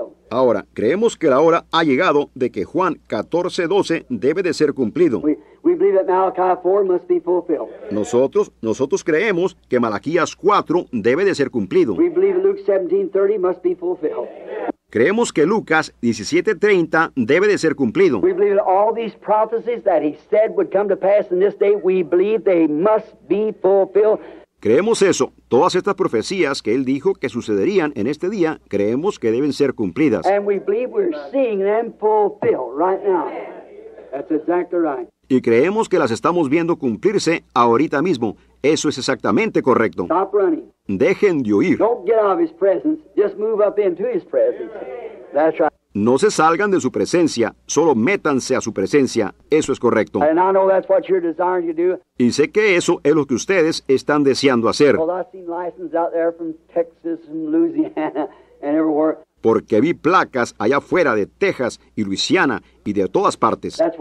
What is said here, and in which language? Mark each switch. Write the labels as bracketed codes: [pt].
[es] Ahora, creemos que la hora ha llegado de que Juan 14:12 debe de ser cumplido. [en] We believe that Malachi 4 must be fulfilled. [es] Nosotros creemos que Malaquías 4 debe de ser cumplido. [en] We believe Luke 17:30 must be fulfilled. [es] Creemos que Lucas 17:30 debe de ser cumplido. [en] We believe that all these prophecies that he said would come to pass in this day, we believe they must be fulfilled. [es] Creemos eso. Todas estas profecías que él dijo que sucederían en este día, creemos que deben ser cumplidas. [en] And we believe we're seeing them fulfilled right now. That's exactly right. [es] Y creemos que las estamos viendo cumplirse ahorita mismo. Eso es exactamente correcto. [en] Stop running. [es] Dejen de huir. [en] Don't get out of his presence. Just move up into his presence. That's right. [es] No se salgan de su presencia, solo métanse a su presencia. Eso es correcto. [en] And I know that's what you're desiring to do. [es] Y sé que eso es lo que ustedes están deseando hacer. [en] Well, I've seen license out there from Texas and Louisiana and everywhere. [es] Porque vi placas allá afuera de Texas y Luisiana y de todas partes.